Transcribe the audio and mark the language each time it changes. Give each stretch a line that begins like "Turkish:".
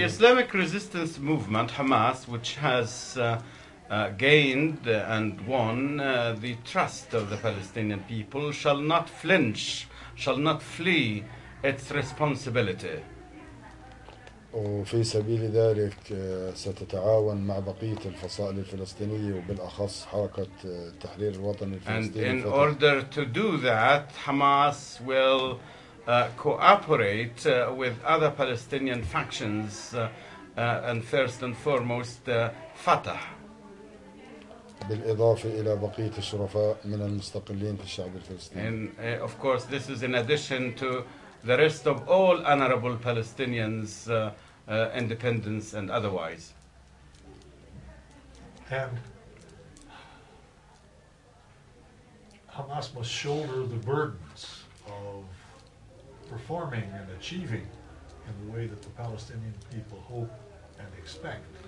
English: The Islamic Resistance Movement, Hamas, which has gained and won the trust of the Palestinian people, shall not flinch, shall not flee its responsibility.
Arabic: وفي سبيل ذلك ستتعاون مع بقية الفصائل الفلسطينية وبالأخص حركة تحرير الوطن الفلسطيني.
English: And in order to do that, Hamas will cooperate with other Palestinian factions and first and foremost Fatah.
Arabic: بالإضافة إلى بقية الشرفاء من المستقلين في الشعب الفلسطيني.
English: And of course this is in addition to the rest of all honorable Palestinians independence and otherwise. And Hamas must shoulder the burdens of performing and achieving in the way that the Palestinian people hope and expect.